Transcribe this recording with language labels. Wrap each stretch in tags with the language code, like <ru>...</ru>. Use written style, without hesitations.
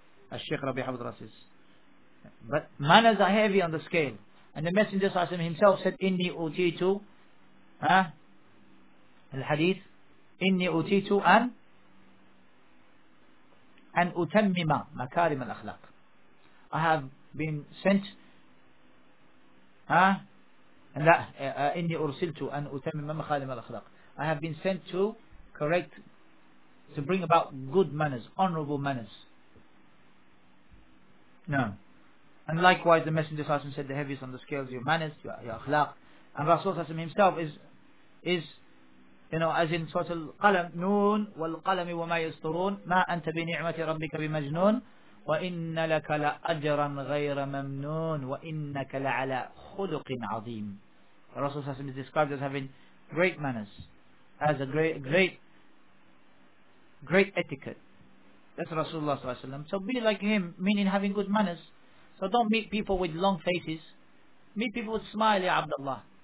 <en>As Sheikh Rabi' Hafidhullah says. But manners are heavy on the scale. And the Messenger himself said, Inni utitu,</en> <ar>الحديث إني أتيت أن أتمم مكارم الأخلاق.</ar> <en>I have been sent. Huh? And that</en> <ar>إني أرسلت أن أتمم مخالم الأخلاق.</ar> <en>I have been sent to correct, to bring about good manners, honorable manners. No. And likewise, the Messenger</en> <ar>صلى الله عليه وسلم</ar> <en>said, the heaviest on the scales, your manners, your أخلاق. And Rasul صلى الله عليه وسلم himself is, you know, as in Surah Al-Qalam,</en> <ar>نون والقلم وما يسطرون ما أنت بنعمة ربك بمجنون وإن لك لأجرا غير ممنون وإنك لعلى خلق عظيم.</ar> <en>Rasul</en> <ar>صلى الله عليه وسلم</ar> <en>is described as having great manners, as a great etiquette. That's Rasulullah</en> <ar>صلى الله عليه وسلم.</ar> <en>So be like him, meaning having good manners. So don't meet people with long faces. Meet people with smile, ya Abdullah.</en>